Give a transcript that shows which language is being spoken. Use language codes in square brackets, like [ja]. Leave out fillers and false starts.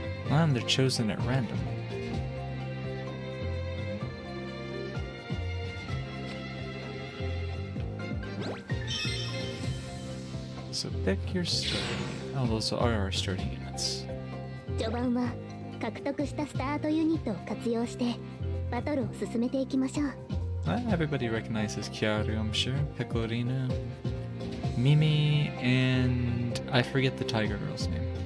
[en] And they're chosen at random. thick your stuff. Oh, those are our starting units. [ja] 序盤は獲得したスタートユニットを活用してバトルを進めていきましょう. [en] Everybody recognizes Kiaru, I'm sure. Hecklorina, Mimi, and I forget the Tiger Girl's name.